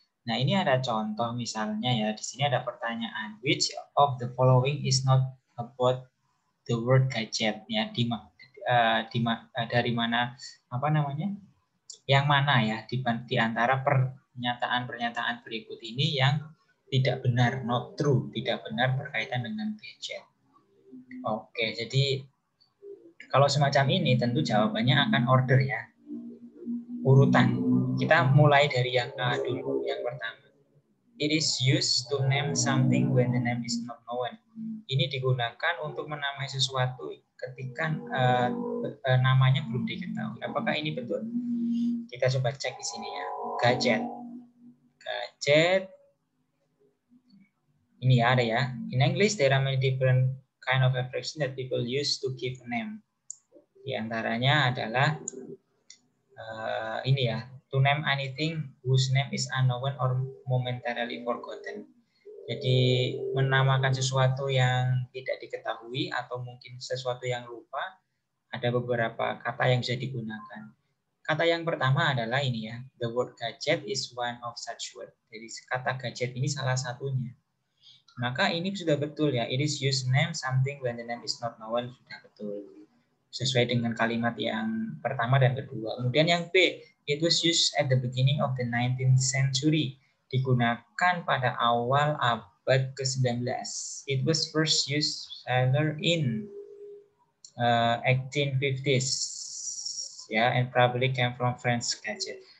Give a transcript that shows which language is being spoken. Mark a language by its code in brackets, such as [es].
[id] Nah, ini ada contoh misalnya ya, di sini ada pertanyaan [en] which of the following is not about the word gadget [id] ya, yang mana ya di antara pernyataan-pernyataan berikut ini yang tidak benar, [en] not true, [id] tidak benar berkaitan dengan gadget. Oke, jadi kalau semacam ini tentu jawabannya akan order ya. Urutan. Kita mulai dari yang A dulu, yang pertama. [en] It is used to name something when the name is not known. [id] Ini digunakan untuk menamai sesuatu ketika namanya belum diketahui. Apakah ini betul? Kita coba cek di sini ya. Gadget. Gadget. Ini ada ya. [en] In English, there are many different kind of expression that people use to give name. [id] Di antaranya adalah ini ya, [en] to name anything whose name is unknown or momentarily forgotten. [id] Jadi menamakan sesuatu yang tidak diketahui atau mungkin sesuatu yang lupa, ada beberapa kata yang bisa digunakan. Kata yang pertama adalah ini ya, [en] the word gadget is one of such word. [id] Jadi kata gadget ini salah satunya. Maka ini sudah betul ya, [en] it is used name something when the name is not known, [id] sudah betul. Sesuai dengan kalimat yang pertama dan kedua. Kemudian yang B, [en] it was used at the beginning of the 19th century. [id] Digunakan pada awal abad ke-19. [en] It was first used rather in 1850s. Ya, yeah, and probably came from French gadget.